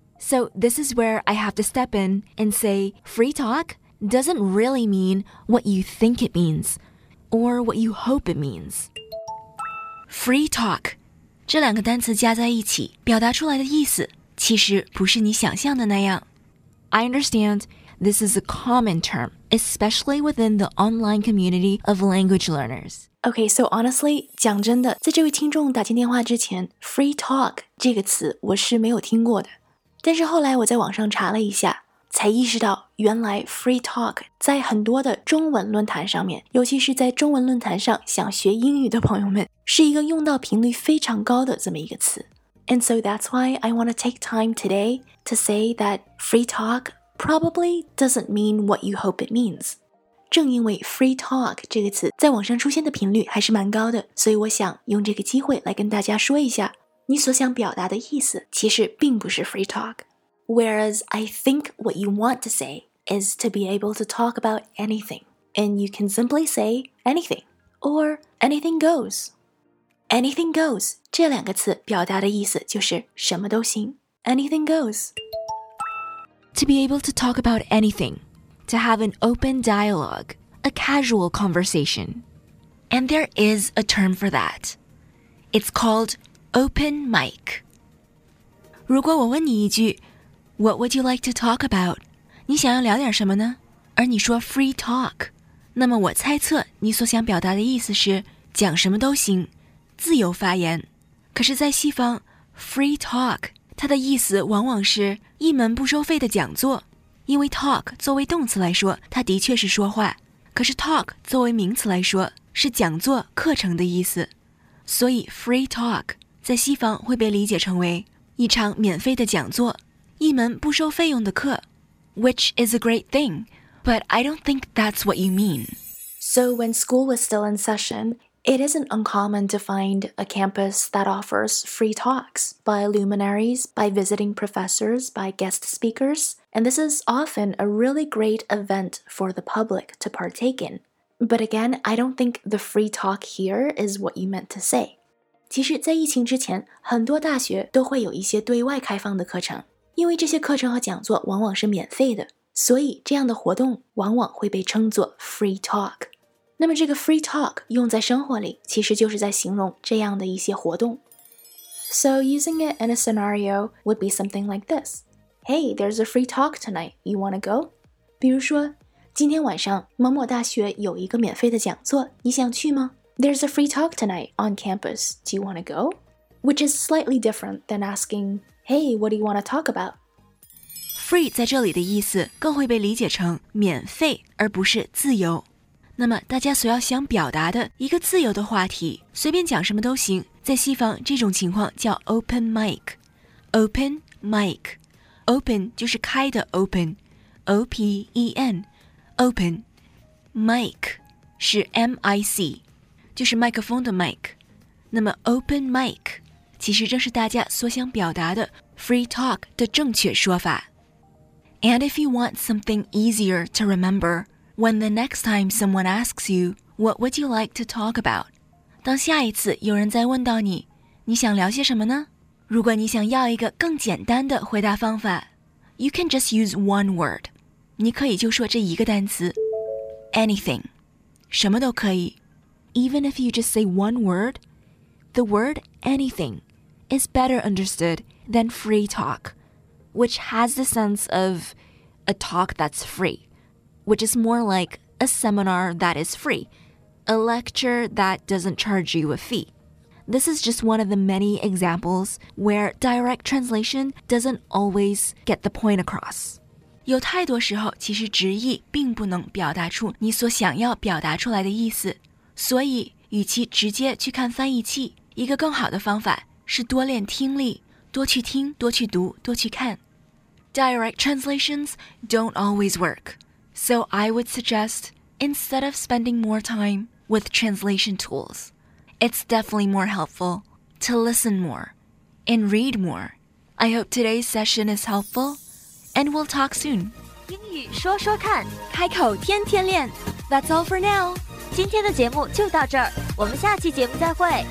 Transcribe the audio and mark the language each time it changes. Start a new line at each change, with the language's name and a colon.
English: So this is where I have to step in and say free talk doesn't really mean what you think it means or what you hope it means. Free talk.
Chinese: 这两个单词加在一起表达出来的意思其实不是你想象的那样。
English: I understand this is a common term, especially within the online community of language learners. Okay, so honestly,
Chinese: 讲真的，在这位听众打进电话之前 free talk 这个词我是没有听过的。但是后来我在网上查了一下，才意识到原来 free talk 在很多的中文论坛上面，尤其是在中文论坛上想学英语的朋友们，是一个用到频率非常高的这么一个词。
English: And so that's why I want to take time today to say that free talk probably doesn't mean what you hope it means.
Chinese: 正因为 free talk 这个词在网上出现的频率还是蛮高的，所以我想用这个机会来跟大家说一下。你所想表达的意思其实并不是 free talk.
English: Whereas I think what you want to say is to be able to talk about anything. And you can simply say anything. Or anything goes. Anything goes, 这两个词表达的意思就是什么都行。 Anything goes. To be able to talk about anything. To have an open dialogue. A casual conversation. And there is a term for that. It's calledOpen mic.
Chinese: 如果我问你一句
English: What would you like to talk about?
Chinese: 你想要聊点什么呢？而你说 free talk. 那么我猜测你所想表达的意思是讲什么都行，自由发言。可是在西方 free talk, 它的意思往往是一门不收费的讲座。因为 talk 作为动词来说，它的确是说话。可是 talk 作为名词来说，是讲座课程的意思。所以 free talk,在西方会被理解成为一场免费的讲座，一门不收费用的课
English: ，which is a great thing, but I don't think that's what you mean. So when school was still in session, it isn't uncommon to find a campus that offers free talks by luminaries, by visiting professors, by guest speakers, and this is often a really great event for the public to partake in. But again, I don't think the free talk here is what you meant to say.
Chinese: 其实在疫情之前，很多大学都会有一些对外开放的课程，因为这些课程和讲座往往是免费的，所以这样的活动往往会被称作 free talk。那么这个 free talk 用在生活里，其实就是在形容这样的一些活动。
English: So using it in a scenario would be something like this. Hey, there's a free talk tonight. You wanna go?
Chinese: 比如说，今天晚上某某大学有一个免费的讲座，你想去吗？
English: There's a free talk tonight on campus. Do you want to go? Which is slightly different than asking, Hey, what do you want to talk about?
Chinese: Free 在这里的意思更会被理解成免费而不是自由。那么大家所要想表达的一个自由的话题，随便讲什么都行。在西方这种情况叫 open mic， open mic， open 就是开的 open， open， open mic 是 mic， 就是麦克风的 mic。那么 open mic 其实正是大家所想表达的 free talk 的正确说法。
English: And if you want something easier to rememberWhen the next time someone asks you, what would you like to talk about?
Chinese: 当下一次有人再问到你，你想聊些什么呢？如果你想要一个更简单的回答方法，
English: you can just use one word.
Chinese: 你可以就说这一个单词， anything. 什么都可以。
English: Even if you just say one word, the word anything is better understood than free talk, which has the sense of a talk that's free. Which is more like a seminar that is free, a lecture that doesn't charge you a fee. This is just one of the many examples where direct translation doesn't always get the point across.
Chinese: 有太多时候其实直译并不能表达出你所想要表达出来的意思。所以与其直接去看翻译器，一个更好的方法是多练听力，多去听，多去读，多去看。
English: Direct translations don't always work. So I would suggest, instead of spending more time with translation tools, it's definitely more helpful to listen more and read more. I hope today's session is helpful, and we'll talk soon.
Chinese: 英语说说看，开口天天练。
English: That's all for now.
Chinese: 今天的节目就到这儿，我们下期节目再会。